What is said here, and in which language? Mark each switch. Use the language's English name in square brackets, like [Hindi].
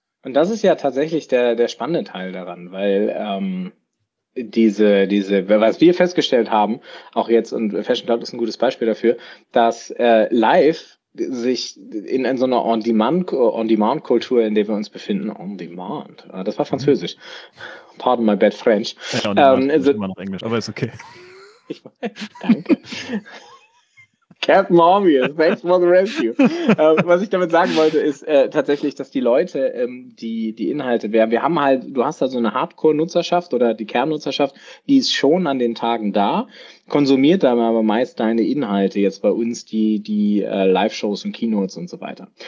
[German] Und das ist ja tatsächlich der spannende Teil daran, weil diese, was wir festgestellt haben, auch jetzt, und Fashion Cloud ist ein gutes Beispiel dafür, dass live sich in so einer On-Demand-Kultur, in der wir uns befinden, On-Demand, das war Französisch, [English] pardon my bad French. [German] Ja, On-Demand ist immer noch Englisch, aber ist okay. Ich weiß, danke. [English] Captain Obvious, thanks for the rescue. [German] Was ich damit sagen wollte, ist tatsächlich, dass die Leute, die Inhalte, wir haben halt, du hast da so eine Hardcore-Nutzerschaft oder die Kernnutzerschaft, die ist schon an den Tagen da, konsumiert dann aber meist deine Inhalte jetzt bei uns, die Live-Shows und Keynotes und so weiter.